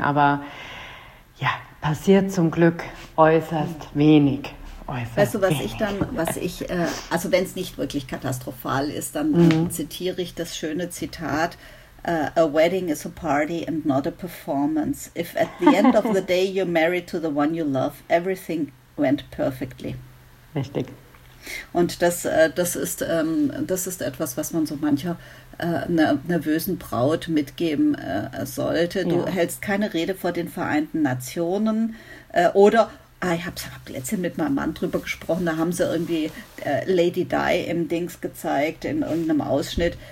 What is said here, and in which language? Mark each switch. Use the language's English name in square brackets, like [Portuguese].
[German] Aber ja, passiert zum Glück äußerst wenig. Weißt du, also wenn es nicht wirklich katastrophal ist, dann zitiere ich das schöne Zitat: [English] A wedding is a party and not a performance. If at the end of the day you're married to the one you love, everything went perfectly. [German] Richtig. Und das ist etwas, was man so mancher nervösen Braut mitgeben sollte. Du hältst keine Rede vor den Vereinten Nationen ich habe letztens mit meinem Mann drüber gesprochen, da haben sie irgendwie Lady Di im Dings gezeigt, in irgendeinem Ausschnitt.